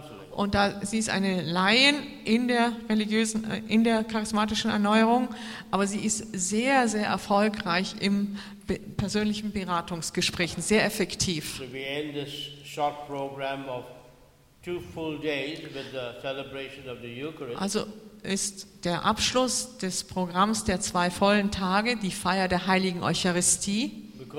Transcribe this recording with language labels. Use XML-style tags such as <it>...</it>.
<de>Und da sie ist eine Laien in der charismatischen Erneuerung, aber sie ist sehr, sehr erfolgreich im persönlichen Beratungsgesprächen, sehr effektiv.</de> <en>So we end this short program of two full days with the celebration of the Eucharist.</en> <de>Also ist der Abschluss des Programms der zwei vollen Tage, die Feier der Heiligen Eucharistie.</de>